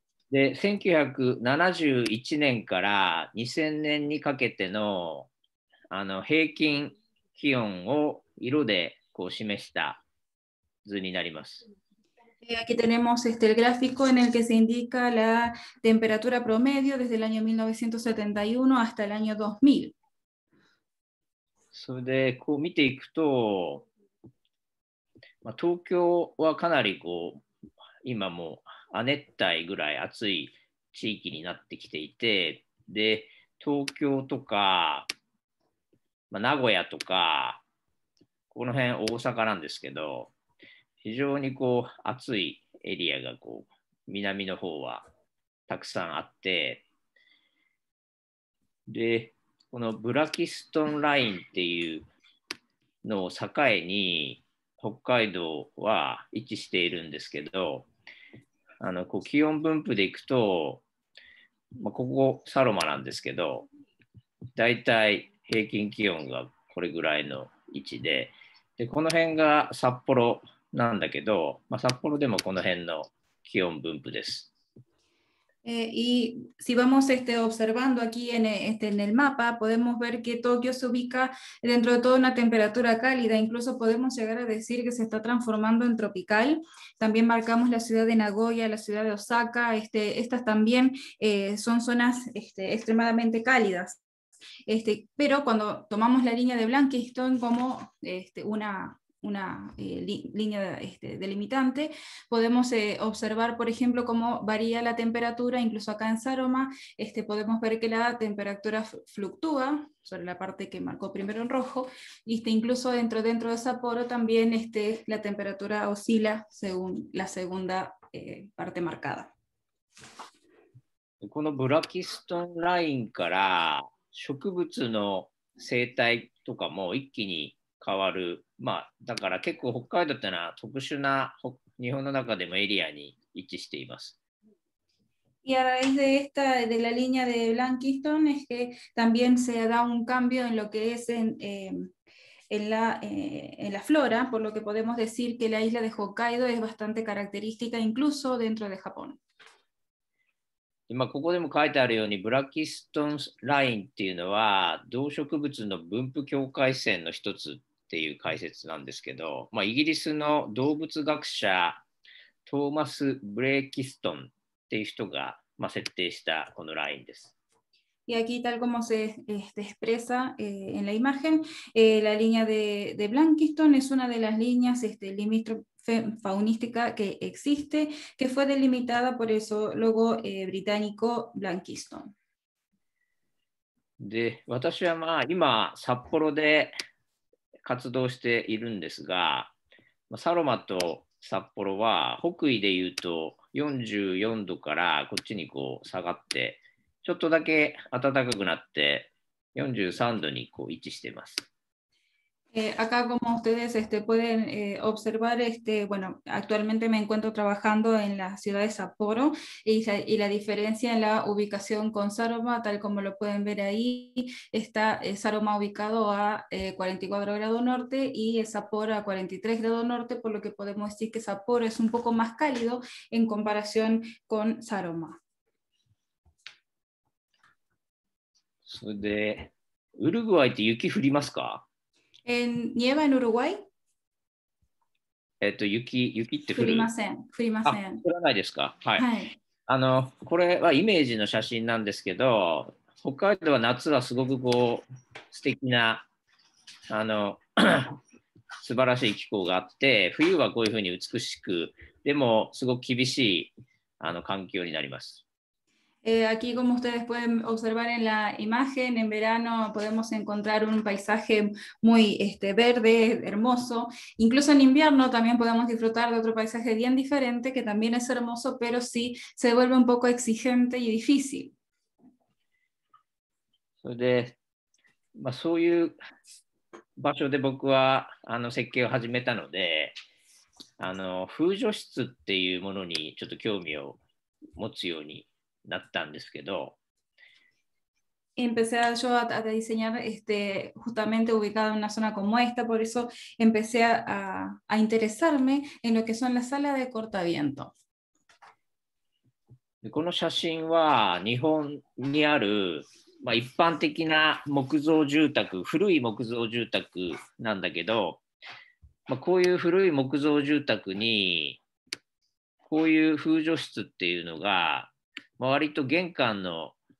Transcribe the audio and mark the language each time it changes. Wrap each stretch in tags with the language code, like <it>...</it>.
<ja>De 1971 年から2000年にかけて の, あの平均気温を色でこう示した図になります。</ja> <es>Aquí tenemos este, el gráfico en el que se indica la temperatura promedio desde el año 1971 hasta el año 2000.</es> <ja>それでこう見ていくと、まあ、東京はかなりこう今も亜熱帯ぐらい暑い地域になってきていて、で東京とか、まあ、名古屋とかこの辺大阪なんですけど、非常にこう暑いエリアがこう南の方はたくさんあって、でこのブラキストンラインっていうのを境に北海道は位置しているんですけど、あのこう気温分布でいくと、まあ、ここサロマなんですけど、だいたい平均気温がこれぐらいの位置で、でこの辺が札幌なんだけど、まあ、札幌でもこの辺の気温分布です。</ja> <es>Y si vamos este, observando aquí en, este, en el mapa, podemos ver que Tokio se ubica dentro de toda una temperatura cálida, incluso podemos llegar a decir que se está transformando en tropical. También marcamos la ciudad de Nagoya, la ciudad de Osaka, este, estas también son zonas este, extremadamente cálidas. Este, pero cuando tomamos la línea de Blankenstein como este, una línea este, delimitante, podemos observar, por ejemplo, cómo varía la temperatura, incluso acá en Saroma, este, podemos ver que la temperatura fluctúa sobre la parte que marcó primero en rojo, y este, incluso dentro de Sapporo también este, la temperatura oscila según la segunda parte marcada.</es> <ja>このブラキストンラインから植物の生態とかも一気に変わる、まあだから結構北海道ってのは特殊な日本の中でもエリアに位置しています。</ja> <es>Y a raíz de esta de la línea de Blankenstein es que también se da un cambio en lo que es en la flora, por lo que podemos decir que la isla de Hokkaido es bastante característica incluso dentro de Japón.</es> <ja>今ここでも書いてあるようにブラキストンラインっていうのは動植物の分布境界線の一つっていう解説なんですけど、まあ、イギリスの動物学者トーマス・ブレーキストンっていう人が、まあ、設定したこのラインです。</ja> <es>Y aquí tal como se este, expresa eh, en la imagen, eh, la línea de Blankenstein es una de las líneas este, limítrofe faunística que existe, que fue delimitada por el zoólogo eh, británico Blankenstein.</es> <ja>で、私はまあ今札幌で活動しているんですが、サロマと札幌は北緯でいうと44度からこっちにこう下がってちょっとだけ暖かくなって43度にこう位置しています。</ja> <es>Acá como ustedes este, pueden eh, observar, este, bueno, actualmente me encuentro trabajando en la ciudad de Sapporo y la diferencia en la ubicación con Saroma, tal como lo pueden ver ahí, está Saroma ubicado a eh, 44 grados norte y Sapporo a 43 grados norte, por lo que podemos decir que Sapporo es un poco más cálido en comparación con Saroma.</es> <ja>¿Uruguay te 雪降りますか?</ja> <es>¿Nieva en Uruguay?</es> <ja>雪って降る？降りません。降らないですか？はい。はい、これはイメージの写真なんですけど、北海道は夏はすごくこう素敵な素晴らしい気候があって、冬はこういうふうに美しく、でもすごく厳しい環境になります。</ja> <es>Aquí, como ustedes pueden observar en la imagen, en verano podemos encontrar un paisaje muy verde, hermoso. Incluso en invierno también podemos disfrutar de otro paisaje bien diferente, que también es hermoso, pero sí se vuelve un poco exigente y difícil.</es> <ja>De, まあ、そういう場所で僕は設計を始めたので、風除室っていうものにちょっと興味を持つようになったんですけど。</ja> <es>Empecé yo a diseñar justamente ubicado en una zona como esta, por eso empecé a interesarme en lo que son las salas de cortaviento.</es> <ja>この写真は日本にある、まあ、一般的な木造住宅、古い木造住宅なんだけど、まあ、こういう古い木造住宅にこういう風除室っていうのが割と玄関の</ja>